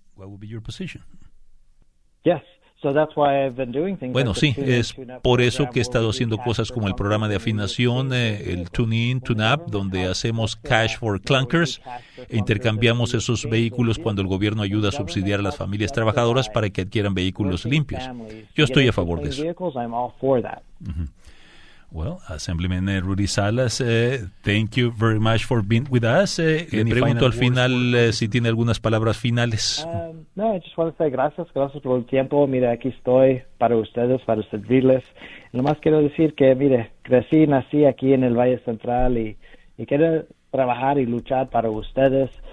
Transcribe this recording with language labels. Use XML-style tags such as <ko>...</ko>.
<es>Bueno, sí, es por eso que he estado haciendo cosas como el programa de afinación, el Tune In, Tune Up, donde hacemos cash for clunkers e intercambiamos esos vehículos cuando el gobierno ayuda a subsidiar a las familias trabajadoras para que adquieran vehículos limpios. Yo estoy a favor de eso.</es> <en>Well, Assemblyman Rudy Salas, thank you very much for being with us.</en> <es>Le pregunto al final si tiene algunas palabras finales.</es> <en>No, I just want to say</en> <es>gracias, gracias por el tiempo. Mire, aquí estoy para ustedes, para servirles. Nomás quiero decir que, mire, crecí, nací aquí en el Valle Central y quiero trabajar y luchar para ustedes.</es>